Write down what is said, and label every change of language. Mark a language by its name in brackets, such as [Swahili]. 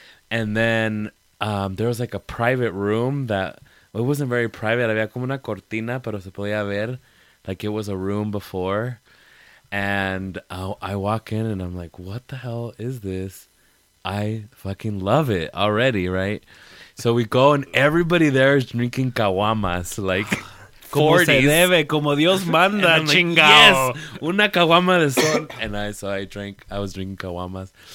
[English] And then there was, like, a private room that, well, it wasn't very private. [Spanish] Había como una cortina, pero se podía ver, like, [English] it was a room before. And I walk in, and I'm like, what the hell is this? I fucking love it already, right? So we go, and everybody there is drinking caguamas, like, [Spanish] 40s. Como se debe, como Dios manda, like, chingao. [English] Yes, [Spanish] una caguama de sol. [English] And I was drinking caguamas.